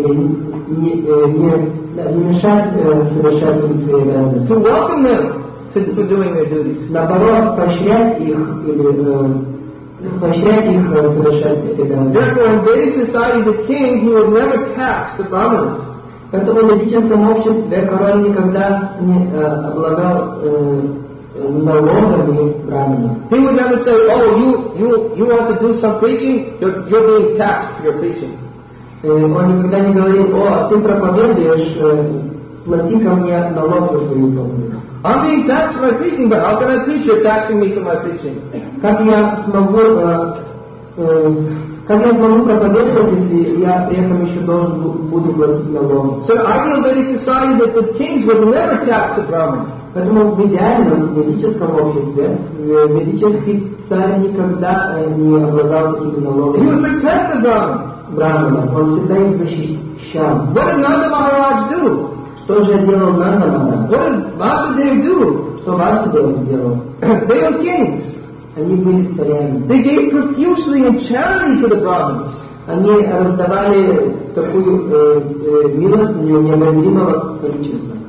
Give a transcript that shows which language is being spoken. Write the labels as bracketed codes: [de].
[ru] Не мешать совершать свои обязанности. [en] To welcome them for doing their duties. [ru] Наоборот, поощрять их совершать эти обязанности. [en] Therefore, in Vedic society, the king he would never tax the Brahmins. [ru] Поэтому в ведическом обществе король никогда не облагал налогами Брахмана. [en] He would never say, oh, you want to do some preaching, you're being taxed for your preaching. [ru] Он никогда не говорил, о, ты проповедуешь, плати ко мне налог за свою проповедь. [en] I'm being taxed for my preaching, but how can I preach? You're taxing me for my preaching. [ru] Как я смогу проповедовать, если я при этом еще должен буду платить налог? [en] So ideal Vedic society that the kings would never tax a Brahman. [ru] Поэтому в идеальном ведическом обществе ведический царь никогда не обладал такими налогами. [en] He would protect the Brahman. [ru] Брахмана. Он всегда их защищал. [en] What did Nanda Maharaj do? [ru] Что же делал Нанда Мана? [en] What did Vasudeva do? [ru] Что Васудева делал? [en] They were kings. [ru] Они были царями. [en] They gave profusely in charity to the Brahmins. [ru] Они раздавали такую милостыню необозримого количества.